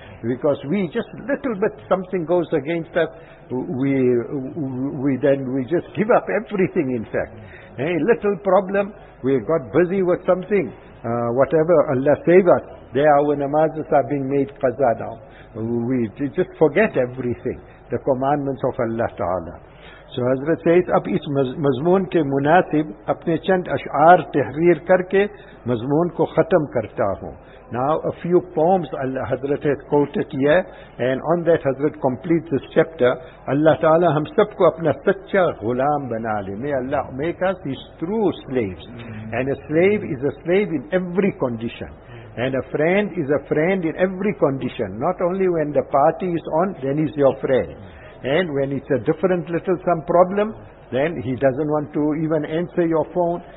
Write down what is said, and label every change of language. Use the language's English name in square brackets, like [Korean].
[English] because we just little bit something goes against us, we just give up everything. In fact, a little problem, we got busy with something, whatever, Allah save us, there our namazes are being made qaza now. We just forget everything, the commandments of Allah Ta'ala. So Hazrat says, [Urdu] اب اس مضمون کے مناسب اپنے چند اشعار تحریر کر کے مضمون کو ختم کرتا ہوں. [English] Now a few poems Allah Hazrat has quoted here, and on that Hazrat completes this chapter. [Urdu] Allah Ta'ala ہم سب کو اپنا سچا غلام بنا لے. [English] May Allah make us his true slaves. And a slave is a slave in every condition. And a friend is a friend in every condition. Not only when the party is on, then he's your friend. And when it's a different little some problem, then he doesn't want to even answer your phone.